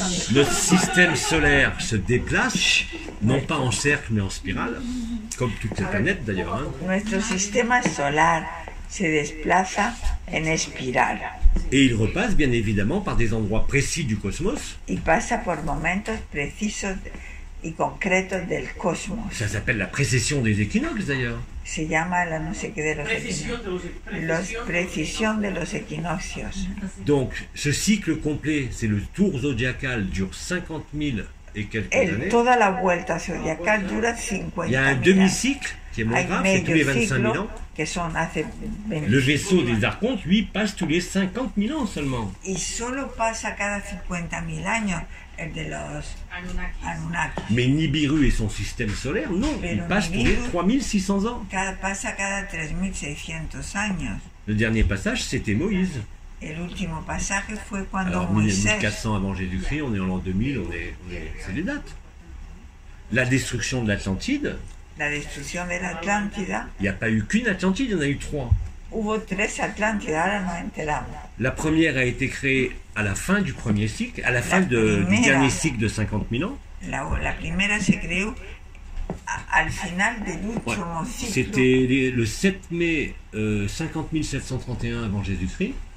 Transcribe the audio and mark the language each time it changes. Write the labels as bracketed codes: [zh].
[fr] Notre système solaire se déplace, non pas en cercle mais en spirale, comme toutes les planètes d'ailleurs. Hein. Notre système solaire se déplace en spirale. Et il repasse bien évidemment par des endroits précis du cosmos. [es] Il passe par momentos precisos y concretos del cosmos. [fr] Ça s'appelle la précession des équinoxes d'ailleurs. [es] Se llama la no sé qué de los equinoccios. Los precisión de los equinoccios. [fr] Donc ce cycle complet, c'est le tour zodiacal, dure 50 000 et quelques années. [es] Toda la vuelta zodiacal dura 50 [fr] 000. Il y a un demi-cycle qui est moins grave, c'est tous les 25 000 ans. [es] Que son hace 20. [fr] Le vaisseau des archontes, lui, passe tous les 50 000 ans seulement. [es] Y solo pasa cada 50 000 años el de los Anunnakis. [fr] Mais Nibiru et son système solaire, non, [es] pero [fr] il passe Nibiru, tous les 3 600 ans. [es] Pasa cada 3 600 años. [fr] Le dernier passage, c'était Moïse. [es] El último pasaje fue cuando [fr] alors, Moïse. 1400 avant Jésus-Christ, on est en l'an 2000, c'est les dates. La destruction de l'Atlantide. [es] La destrucción de la Atlántida. [fr] Il n'y a pas eu qu'une Atlantide, il y en a eu trois. [es] Hubo tres Atlantidas, ahora nos enteramos. [fr] La première a été créée à la fin du premier cycle, à la fin du dernier cycle de 50 000 ans. [es] La primera se creó al final del último ciclo. [fr] C'était le 7 mai 50 731 avant Jésus-Christ.